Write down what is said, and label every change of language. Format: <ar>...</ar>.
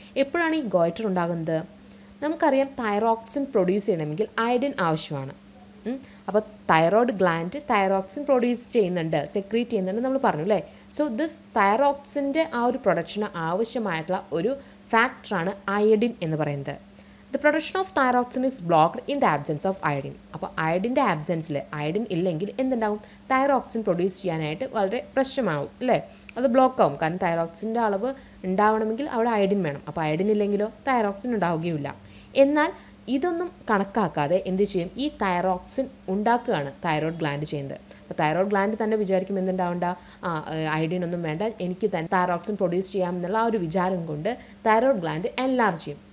<ml>എപ്പോഴാണ് ഈ ഗോയിറ്റർ ഉണ്ടാകുന്നത്? നമുക്കറിയാം തൈറോക്സിൻ പ്രൊഡ്യൂസ് ചെയ്യണമെങ്കിൽ അയഡിൻ ആവശ്യമാണ്. അപ്പോൾ തൈറോയിഡ് ഗ്ലാൻഡ് തൈറോക്സിൻ പ്രൊഡ്യൂസ് ചെയ്യുന്നുണ്ട്, സെക്രീറ്റ് ചെയ്യുന്നുണ്ട് നമ്മൾ പറഞ്ഞു അല്ലേ. സോ ദിസ് തൈറോക്സിൻ്റെ ആ ഒരു പ്രൊഡക്ഷന് ആവശ്യമായിട്ടുള്ള ഒരു ഫാക്ടറാണ് അയഡിൻ എന്ന് പറയുന്നത്. The</ml> <en>The production of thyroxin is blocked in the absence of iodine.</en> <ml>അപ്പോൾ അയഡിൻ്റെ ആബ്സെൻസിൽ അയഡിൻ ഇല്ലെങ്കിൽ എന്തുണ്ടാവും? തൈറോക്സിൻ പ്രൊഡ്യൂസ് ചെയ്യാനായിട്ട് വളരെ പ്രശ്നമാവും അല്ലേ. അത് ബ്ലോക്കാവും, കാരണം തൈറോക്സിൻ്റെ അളവ് ഉണ്ടാവണമെങ്കിൽ അവിടെ അയഡിൻ വേണം. അപ്പോൾ അയഡിൻ ഇല്ലെങ്കിലോ തൈറോക്സിൻ ഉണ്ടാവുകയില്ല. എന്നാൽ ഇതൊന്നും കണക്കാക്കാതെ എന്ത് ചെയ്യും? ഈ തൈറോക്സിൻ ഉണ്ടാക്കുകയാണ് തൈറോയ്ഡ് ഗ്ലാൻഡ് ചെയ്യുന്നത്. അപ്പോൾ തൈറോയ്ഡ് ഗ്ലാൻഡ് തന്നെ വിചാരിക്കും എന്തുണ്ടാവണ്ട, അയഡിൻ ഒന്നും വേണ്ട, എനിക്ക് തന്നെ തൈറോക്സിൻ പ്രൊഡ്യൂസ് ചെയ്യാമെന്നുള്ള ആ ഒരു വിചാരം കൊണ്ട് തൈറോയ്ഡ് ഗ്ലാൻഡ് എൻലാർജ് ചെയ്യും.</ml>